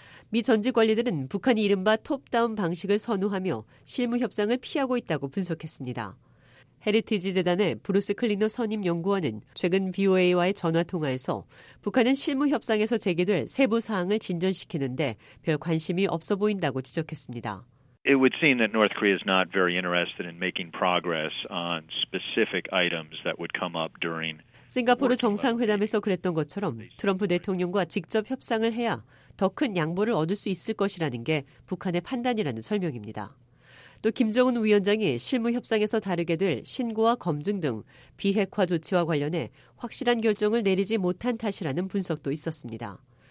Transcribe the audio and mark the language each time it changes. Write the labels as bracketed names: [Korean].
[Korean] 미 전직 관리들은 북한이 이른바 톱다운 방식을 선호하며 실무 협상을 피하고 있다고 분석했습니다. 헤리티지 재단의 브루스 클리너 선임 연구원은 최근 BOA와의 전화 통화에서 북한은 실무 협상에서 제기될 세부 사항을 진전시키는데 별 관심이 없어 보인다고 지적했습니다. [English] It would seem that North Korea is not very interested in making progress on specific items that would come up during [Korean] 싱가포르 정상회담에서 그랬던 것처럼 트럼프 대통령과 직접 협상을 해야 더 큰 양보를 얻을 수 있을 것이라는 게 북한의 판단이라는 설명입니다. 또 김정은 위원장이 실무 협상에서 다루게 될 신고와 검증 등 비핵화 조치와 관련해 확실한 결정을 내리지 못한 탓이라는 분석도 있었습니다.